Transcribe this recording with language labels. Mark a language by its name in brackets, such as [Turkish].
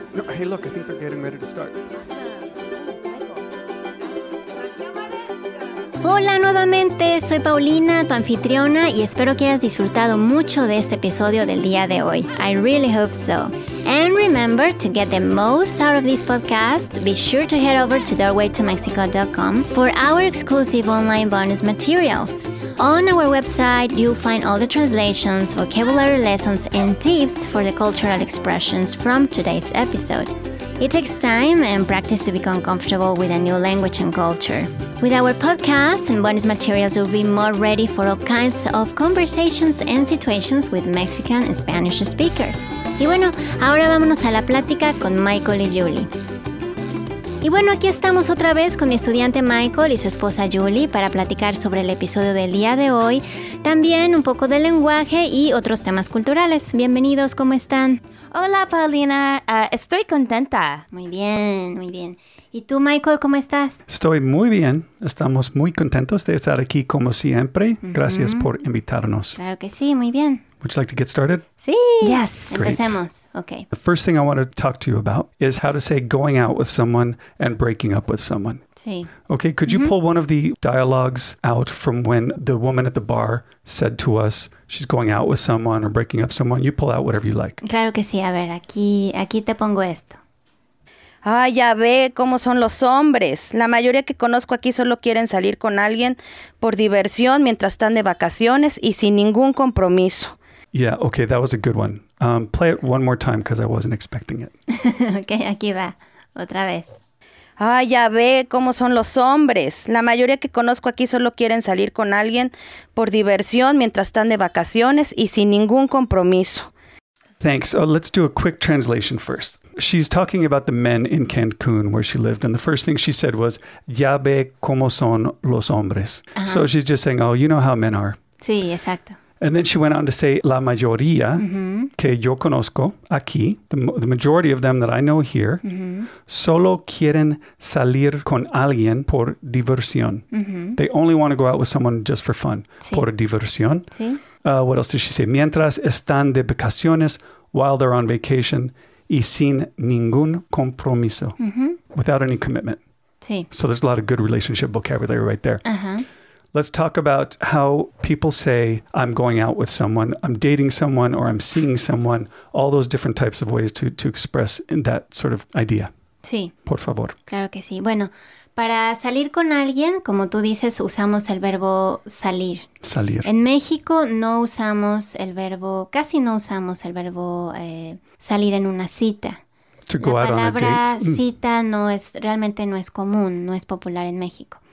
[English] No, hey, look, I think they're getting ready to start. [Spanish] Hola nuevamente, soy Paulina, tu anfitriona, y espero que hayas disfrutado mucho de este episodio del día de hoy. [English] I really hope so. And remember, to get the most out of this podcast, be sure to head over to doorwaytomexico.com for our exclusive online bonus materials. On our website, you'll find all the translations, vocabulary lessons, and tips for the cultural expressions from today's episode. It takes time and practice to become comfortable with a new language and culture. With our podcast and bonus materials, you'll be more ready for all kinds of conversations and situations with Mexican and Spanish speakers. [Spanish] Y bueno, ahora vámonos a la plática con Michael y Julie. Y bueno, aquí estamos otra vez con mi estudiante Michael y su esposa Julie para platicar sobre el episodio del día de hoy, también un poco del lenguaje y otros temas culturales. Bienvenidos, ¿cómo están? Hola, Paulina. Estoy contenta. Muy bien, muy bien. ¿Y tú, Michael, cómo estás? Estoy muy bien. Estamos muy contentos de estar aquí como siempre. Uh-huh. Gracias por invitarnos. Claro que sí, muy bien. [English] Would you like to get started? [Spanish] Sí. [English] Yes. Great. [Spanish] Empecemos. [English] Okay. The first thing I want to talk to you about is how to say going out with someone and breaking up with someone. [Spanish] Sí. [English] Okay, could you pull one of the dialogues out from when the woman at the bar said to us she's going out with someone or breaking up someone? You pull out whatever you like. [Spanish] Claro que sí. A ver, aquí te pongo esto. Ay, ya ve cómo son los hombres. La mayoría que conozco aquí solo quieren salir con alguien por diversión mientras están de vacaciones y sin ningún compromiso. [English] Yeah, okay, that was a good one. Play it one more time because I wasn't expecting it. [Spanish] Okay, aquí va, otra vez. Ay, ya ve cómo son los hombres. La mayoría que conozco aquí solo quieren salir con alguien por diversión mientras están de vacaciones y sin ningún compromiso. [English] Thanks. Oh, let's do a quick translation first. She's talking about the men in Cancun where she lived. And the first thing she said was, [Spanish] ya ve cómo son los hombres. [English] Uh-huh. So she's just saying, oh, you know how men are. [Spanish] Sí, exacto. [English] And then she went on to say, [Spanish] la mayoría que yo conozco aquí, [English] the majority of them that I know here, [Spanish] solo quieren salir con alguien por diversión. [English] They only want to go out with someone just for fun. [Spanish] Sí. Por diversión. Sí. [English] What else did she say? [Spanish] Mientras están de vacaciones, [English] while they're on vacation, [Spanish] y sin ningún compromiso. [English] Without any commitment. [Spanish] Sí. [English] So there's a lot of good relationship vocabulary right there. Uh-huh. Let's talk about how people say, I'm going out with someone, I'm dating someone, or I'm seeing someone, all those different types of ways to express in that sort of idea. [Spanish] Sí. Por favor. Claro que sí. Bueno, para salir con alguien, como tú dices, usamos el verbo salir. Salir. En México no usamos el verbo, casi no usamos el verbo salir en una cita. [English] To go out on a date. [Spanish] La palabra cita no es, realmente no es común, no es popular en México.